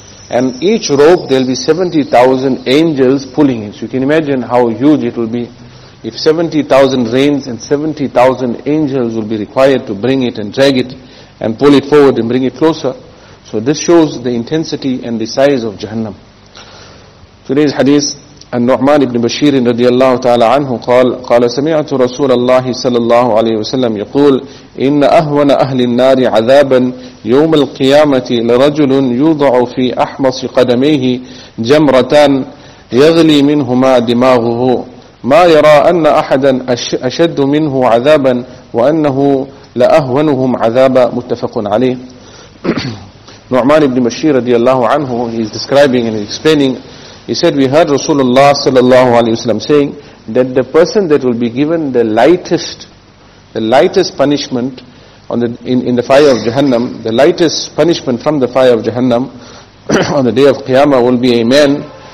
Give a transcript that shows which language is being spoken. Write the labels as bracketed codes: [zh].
[en] And each rope, there will be 70,000 angels pulling it. So you can imagine how huge it will be. If 70,000 reins and 70,000 angels will be required to bring it and drag it and pull it forward and bring it closer. So this shows the intensity and the size of Jahannam. Today's hadith, [ar] النعمان بن بشير رضي الله تعالى عنه قال قال سمعت رسول الله صلى الله عليه وسلم يقول إن أهون أهل النار عذابا يوم القيامة لرجل يوضع في أحمص قدميه جمرتان يغلي منهما دماغه ما يرى أن أحدا أشد منه عذابا وأنه لأهونهم عذابا. متفق عليه. [en] نعمان بن بشير [ar] رضي الله عنه, [en] he is describing and explaining. He said, we heard Rasulullah sallallahu alayhi wa sallam saying that the person that will be given the lightest punishment in the fire of Jahannam, the lightest punishment from the fire of Jahannam on the day of Qiyamah will be a man.